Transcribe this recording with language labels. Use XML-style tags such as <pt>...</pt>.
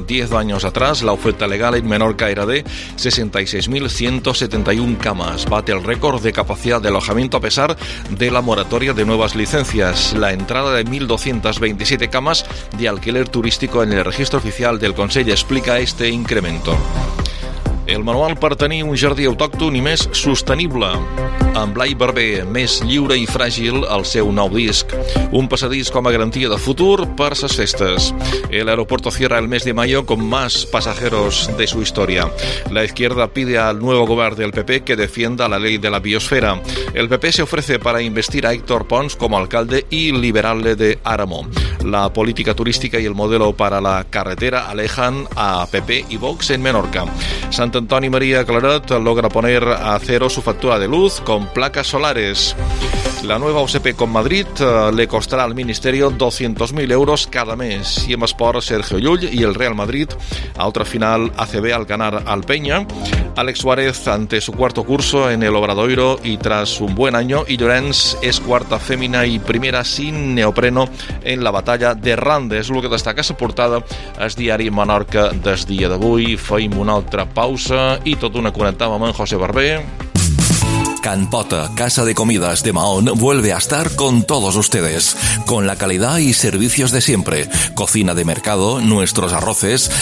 <es>10 años atrás, la oferta legal en Menorca era de 66.171 camas. Bate el récord de capacidad de alojamiento a pesar de la moratoria de nuevas licencias. La entrada de 1.227 camas de alquiler turístico en el registro oficial del Consejo explica este incremento.</es> <ca>El manual per tenir un jardí autòcton i més sostenible. Amb Blai Barber, més lliure i fràgil, el seu nou disc. Un passadís com a garantia de futur per ses festes.</ca> <es>El aeropuerto cierra el mes de mayo con más pasajeros de su historia. La izquierda pide al nuevo govern del PP que defienda la ley de la biosfera. El PP se ofrece para investir a Héctor Pons como alcalde y liberarle de Áramo. La política turística y el modelo para la carretera alejan a PP y Vox en Menorca. Sant Antoni María Claret logra poner a cero su factura de luz con placas solares. La nueva OCP con Madrid le costará al Ministerio 200.000 euros cada mes. Y en Sport, Sergio Llull y el Real Madrid a otra final ACB al ganar al Peña. Alex Suárez ante su cuarto curso en el Obradoiro y tras un buen año. Y Llorenç es cuarta fémina y primera sin neopreno en la batalla de Rande. Es lo que destaca esa portada al diari Menorca del día de hoy.</es> <ca>Feim una otra pausa y tot una connectada amb en José Barber.</ca> <es>Can Pota, casa de comidas de Mahón, vuelve a estar con todos ustedes. Con la calidad y servicios de siempre. Cocina de mercado, nuestros arroces.</es>